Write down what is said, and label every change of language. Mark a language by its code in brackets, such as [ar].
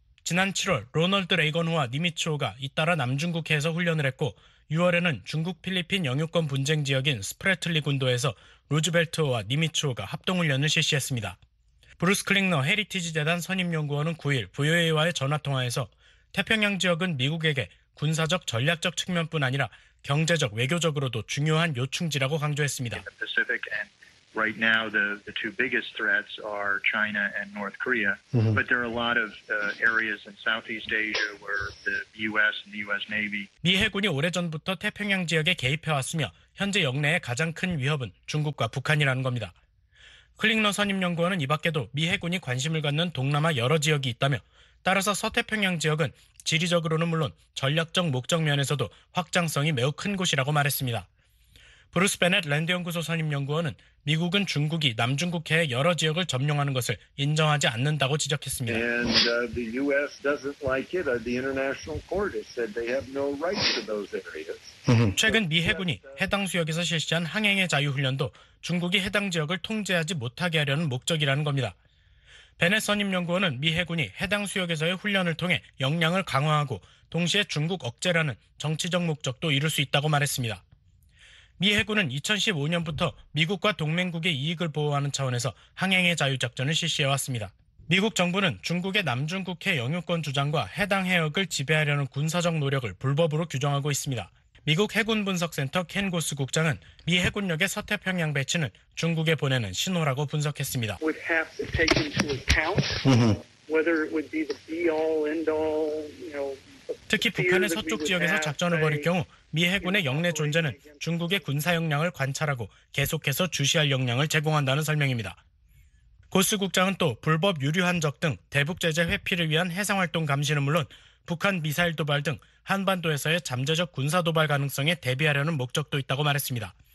[ko] 지난 7월 로널드 레이건호와 니미츠호가 잇따라 남중국해에서 훈련을 했고 6월에는 중국 필리핀 영유권 분쟁 지역인 스프레틀리 군도에서 루즈벨트호와 니미츠호가 합동훈련을 실시했습니다. 브루스 클링너 헤리티지 재단 선임연구원은 9일 VOA와의 전화통화에서 태평양 지역은 미국에게 군사적 전략적 측면뿐 아니라 경제적 외교적으로도 중요한 요충지라고 강조했습니다. [en] Right now, the two biggest threats are China and North Korea. Mm-hmm. But there are a lot of areas in Southeast Asia where the U.S. and the U.S. Navy. [ko] 미 해군이 오래전부터 태평양 지역에 개입해 왔으며 현재 영내의 가장 큰 위협은 중국과 북한이라는 겁니다. 클링너 선임연구원은 이 밖에도 미 해군이 관심을 갖는 동남아 여러 지역이 있다며 따라서 서태평양 지역은 지리적으로는 물론 전략적 목적 면에서도 확장성이 매우 큰 곳이라고 말했습니다. 브루스 베넷 랜드연구소 선임연구원은 미국은 중국이 남중국해의 여러 지역을 점령하는 것을 인정하지 않는다고 지적했습니다. [en] And the U.S. doesn't like it. The International Court has said they have no rights to those areas. [ko] 최근 미 해군이 해당 수역에서 실시한 항행의 자유훈련도 중국이 해당 지역을 통제하지 못하게 하려는 목적이라는 겁니다. 베넷 선임연구원은 미 해군이 해당 수역에서의 훈련을 통해 역량을 강화하고 동시에 중국 억제라는 정치적 목적도 이룰 수 있다고 말했습니다. 미 해군은 2015년부터 미국과 동맹국의 이익을 보호하는 차원에서 항행의 자유작전을 실시해왔습니다. 미국 정부는 중국의 남중국해 영유권 주장과 해당 해역을 지배하려는 군사적 노력을 불법으로 규정하고 있습니다. 미국 해군분석센터 켄 고스 국장은 미 해군력의 서태평양 배치는 중국에 보내는 신호라고 분석했습니다. [en] would have to take into account whether it would be the be-all, end-all, you know, [ko] 특히 북한의 서쪽 지역에서 작전을 벌일 경우 미 해군의 영내 존재는 중국의 군사 역량을 관찰하고 계속해서 주시할 역량을 제공한다는 설명입니다. 고스 국장은 또 불법 유류 한적 등 대북 제재 회피를 위한 해상 활동 감시는 물론 북한 미사일 도발 등 한반도에서의 잠재적 군사 도발 가능성에 대비하려는 목적도 있다고 말했습니다.